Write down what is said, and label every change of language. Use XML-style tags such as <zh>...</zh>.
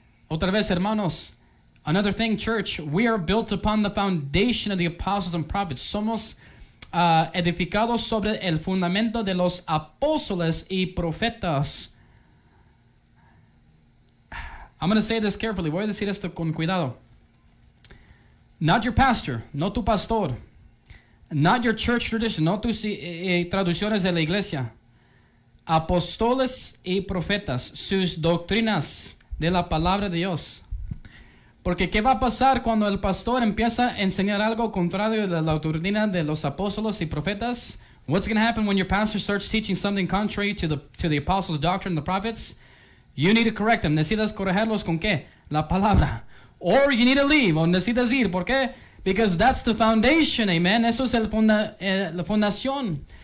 <es>Otra vez, hermanos,</es> <en>another thing, church, we are built upon the foundation of the apostles and prophets.</en> <es>Somos edificados sobre el fundamento de los apóstoles y profetas.</es> <en>I'm going to say this carefully.</en> <es>Voy a decir esto con cuidado.</es> <en>Not your pastor,</en> <es>no tu pastor.</es> <en>Not your church tradition,</en> <es>no tus traducciones de la iglesia. Apóstoles y profetas, sus doctrinas de la palabra de Dios. Porque qué va a pasar cuando el pastor empieza a enseñar algo contrario de la doctrina de los apóstoles y profetas?</es> <en>What's going to happen when your pastor starts teaching something contrary to the apostles' doctrine, the prophets? You need to correct them.</en> <es>Necesitas corregirlos con qué? La palabra.</es> <en>Or you need to leave.</en> <es>O necesitas ir. ¿Por qué?</es> <en>Because that's the foundation. Amen.</en> <es>Eso es la fundación.</es>